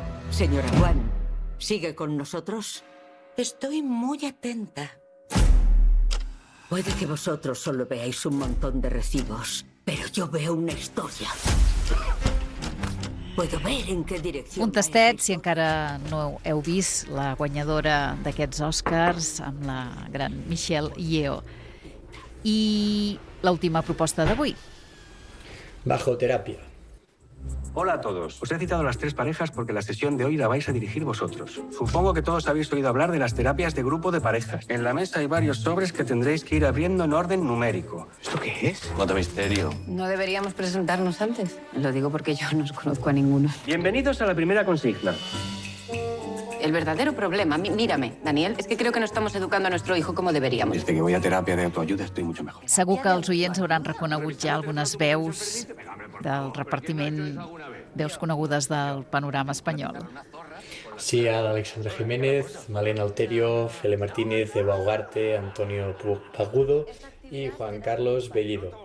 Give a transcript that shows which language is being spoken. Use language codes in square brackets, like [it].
[es] Señora Wan, ¿sigue con nosotros? Estoy muy atenta. Puede que vosotros solo veáis un montón de recibos, pero yo veo una historia. Puedo ver en qué dirección... [ca] Un tastet, si encara no heu vist la guanyadora d'aquests Oscars amb la gran Michelle Yeoh. I l'última proposta d'avui. [es] Bajo terapia. Hola a todos. Os he citado las tres parejas porque la sesión de hoy la vais a dirigir vosotros. Supongo que todos habéis oído hablar de las terapias de grupo de parejas. En la mesa hay varios sobres que tendréis que ir abriendo en orden numérico. ¿Esto qué es? ¿Cuánto misterio? ¿No deberíamos presentarnos antes? Lo digo porque yo no os conozco a ninguno. Bienvenidos a la primera consigna. El verdadero problema, mírame, Daniel, es que creo que no estamos educando a nuestro hijo como deberíamos. Desde que voy a terapia de autoayuda estoy mucho mejor. [ca] Segur que els oients hauran reconegut ja algunes veus del repartiment, veus conegudes del panorama espanyol. Sí, a l'Alexandra Jiménez, Malena Alterio, Fele Martínez, Eva Ugarte, Antonio Pagudo i Juan Carlos Bellido.